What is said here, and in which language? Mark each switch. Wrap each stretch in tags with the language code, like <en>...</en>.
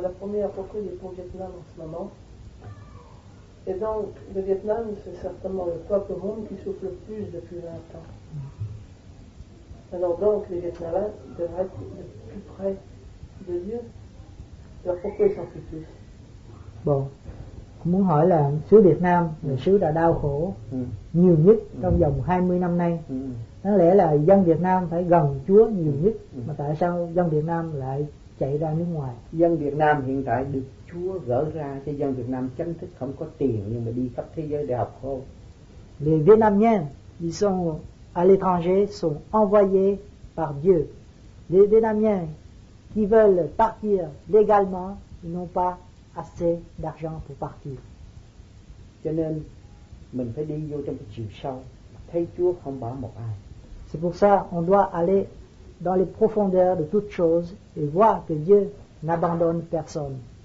<fr>La première, pourquoi il est pour le Vietnam en ce moment? Et donc, le Vietnam, c'est certainement le peuple au monde qui souffre le plus depuis 20 ans. Alors donc, les Vietnamiens devraient être le plus près de Dieu. Alors pourquoi ils souffrent plus? Bon, je</fr> <vi>muốn hỏi là xứ Việt Nam, là xứ đã đau khổ nhiều nhất trong vòng 20 năm nay. Có lẽ là dân Việt Nam phải gần Chúa nhiều nhất, mà tại sao dân Việt Nam lại chạy ra nước ngoài? Dân Việt Nam hiện tại được Chúa gỡ ra cho dân Việt Nam chính thức không có tiền nhưng mà đi khắp thế giới để học khổ.</vi> <fr>Les Vietnamiens, ils sont à l'étranger, sont envoyés par Dieu. Les Vietnamiens qui veulent partir légalement, ils n'ont pas assez d'argent pour partir.</fr> <vi>Cho nên mình phải đi vô trong cái chiều sâu, thấy Chúa không bỏ một ai.</vi> <fr>C'est pour ça on doit aller dans les profondeurs de toutes choses et voir que Dieu n'abandonne personne.</fr>